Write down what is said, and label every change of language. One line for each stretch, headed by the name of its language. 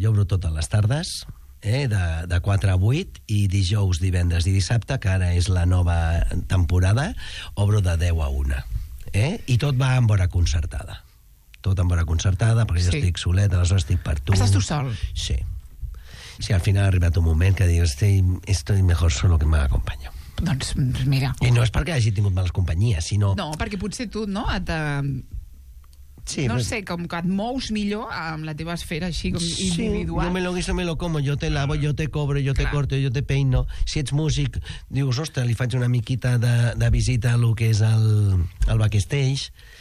Catalan: Jo obro totes les tardes... De 4 a 8, i dijous, divendres i dissabte, que ara és la nova temporada, obro de 10 a 1. I tot va amb hora concertada. Tot amb hora concertada, perquè jo estic solet, aleshores estic per tu. Estàs tu sol? Sí. Sí, al final ha arribat un moment que dius,
Spanish: estoy mejor solo
Catalan: que m'acompanyo. Doncs mira... I no és perquè hagi tingut males companyies, sinó... No, perquè potser tu, no?, et... Sí, no sé, com que et mous millor amb la teva esfera així, com individual.
Spanish: Sí, no me lo guiso, me lo como. Jo te lavo, jo te cobro, jo te corto, jo te peino.
Catalan: Si ets músic, dius, ostres, li faig una miquita de visita a lo que és el backstage.